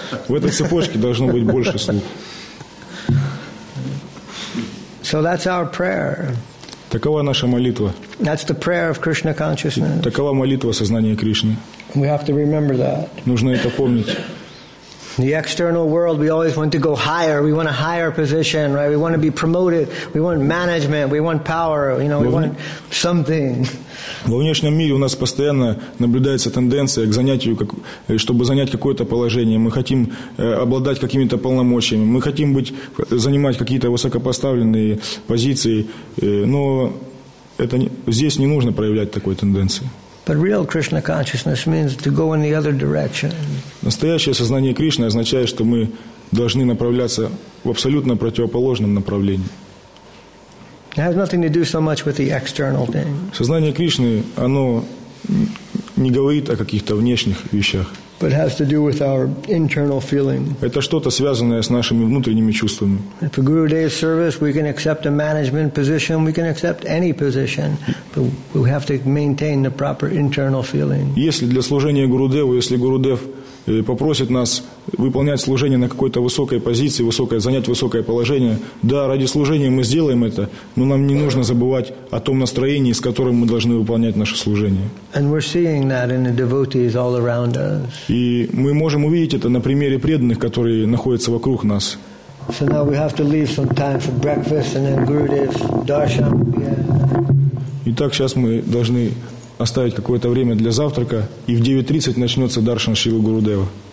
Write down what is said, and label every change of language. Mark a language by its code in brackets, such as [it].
[ru] В этой цепочке должно быть больше слуг. [en] So that's our prayer. [ru] Такова наша молитва. [en] That's the prayer of Krishna consciousness. [ru] Такова молитва сознания Кришны. [en] We have to remember that. [ru] Нужно это помнить. [en] The external world, we always want to go higher. We want a higher position, right? We want to be promoted. We want management. We want power. You know, we want something. [ru] Во внешнем мире у нас постоянно наблюдается тенденция к занятию, чтобы занять какое-то положение. Мы хотим обладать какими-то полномочиями, мы хотим занимать какие-то высокопоставленные позиции, но это, здесь не нужно проявлять такой тенденции. [en] But real Krishna consciousness means to go in the other direction. [ru] Настоящее сознание Кришны означает, что мы должны направляться в абсолютно противоположном направлении. [en] It has nothing to do so much with the external thing. [ru] Сознание Кришны, оно не говорит о каких-то внешних вещах. [en] But has to do with our internal feeling. [ru] Это что-то связанное с нашими внутренними чувствами. [en] If a Guru Dev service, we can accept a management position, we can accept any position, but we have to maintain the proper internal feeling. [ru] Если для служения Гуру Деву, если Гуру Дев попросит нас выполнять служение на какой-то высокой позиции, высокое, занять высокое положение, да, ради служения мы сделаем это, но нам не нужно забывать о том настроении, с которым мы должны выполнять наше служение. [en] And we're seeing that in the devotees all around us. [ru] И мы можем увидеть это на примере преданных, которые находятся вокруг нас. [en] So now we have to leave some time for breakfast and then Gurudev's darshan. [ru] Итак, сейчас мы должны оставить какое-то время для завтрака, и в 9:30 начнется даршан Шрилы Гурудева.